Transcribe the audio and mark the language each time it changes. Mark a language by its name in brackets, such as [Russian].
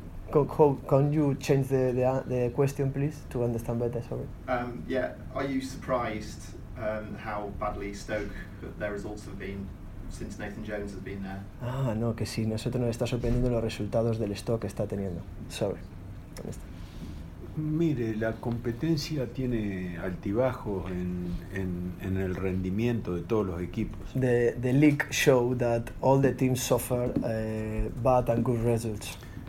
[English] Can you change the question, please, to understand better? Sorry. Are you surprised how badly Stoke their results have been since Nathan Jones has been there? [Spanish] Ah, no, que sí. Nosotros nos está sorprendiendo los resultados del Stoke que está teniendo. [English] Sorry. [Spanish] Mire, la competencia tiene altibajos en el rendimiento de todos los equipos. [English] The league show that all the teams suffer bad and good results.